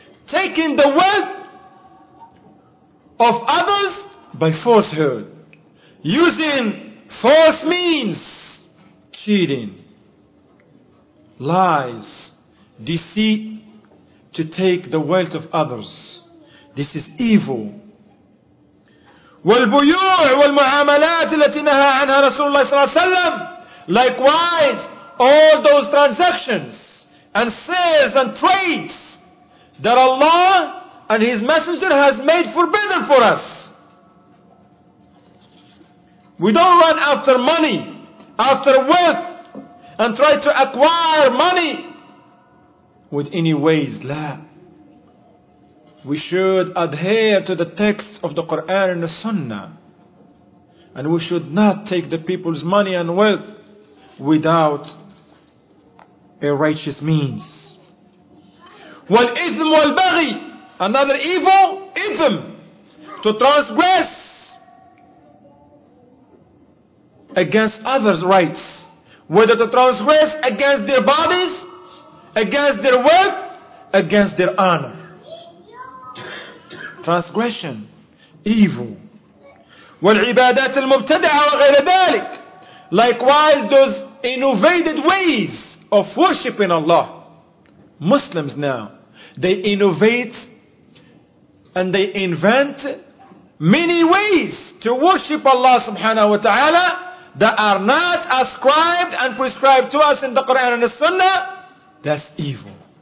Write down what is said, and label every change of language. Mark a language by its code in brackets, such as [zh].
[en] Taking the wealth of others by falsehood, using false means, cheating, lies, deceit to take the wealth of others. This is evil. [ar] والبيوع والمعاملات التي نهى عنها رسول الله صلى الله عليه وسلم. [en] Likewise, all those transactions and sales and trades that Allah and His Messenger has made forbidden for us. We don't run after money, after wealth, and try to acquire money with any ways. La. We should adhere to the text of the Quran and the Sunnah. And we should not take the people's money and wealth without a righteous means. [ar] والإثم والبغي. [en] Another evil, ism, to transgress against others' rights. Whether to transgress against their bodies, against their wealth, against their honor. Transgression, evil. [ar] والعبادات المبتدعة وغير ذلك. [en] Likewise, those innovated ways of worshipping Allah. Muslims now, they innovate and they invent many ways to worship Allah subhanahu wa ta'ala that are not ascribed and prescribed to us in the Quran and the Sunnah. That's evil.